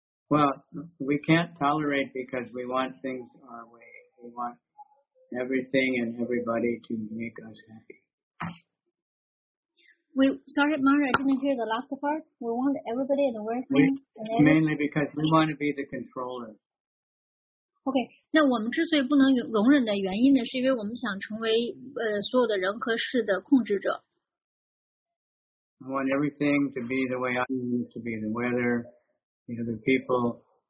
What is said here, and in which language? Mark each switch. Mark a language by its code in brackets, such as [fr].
[en] Well, we can't tolerate because we want things our way. We want everything and everybody to make us happy. We, sorry, Mara, I didn't hear the last part. We want everybody in the world. Mainly because we want to be the controller. [zh] OK, 那我们之所以不能容忍的原因呢，是因为我们想成为所有的人和事的控制者。 [en] I want everything to be the way I want it to be, the weather, the other people.